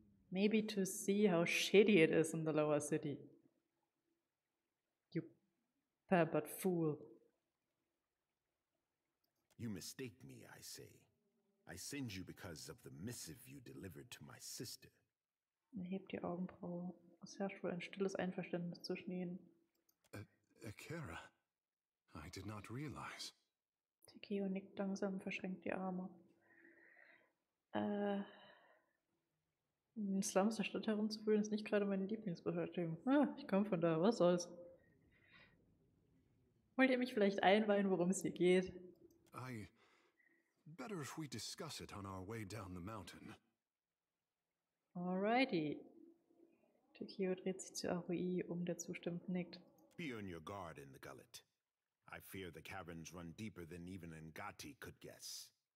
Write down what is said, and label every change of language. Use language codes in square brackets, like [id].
[en] Maybe to see how shitty it is in the lower city. You pampered fool. You mistake me, I say. I send you because of the missive you delivered to my sister. [de] Er hebt die Augenbraue. Es herrscht wohl ein stilles Einverständnis zwischen ihnen. [en] Akira. I did not realize. [de] Takeo nickt langsam und verschränkt die Arme. In Slums der Stadt herumzufühlen ist nicht gerade meine Lieblingsbeschäftigung. Ich komme von da, was soll's. Wollt ihr mich vielleicht einweihen, worum es hier geht? [en] I better if we discuss it on our way down the mountain. [de] Alrighty. Takeo dreht sich zu Aoi um, der zustimmend nickt. [en] Be on your guard in the gullet. I fear the caverns run deeper than even Ngati could guess.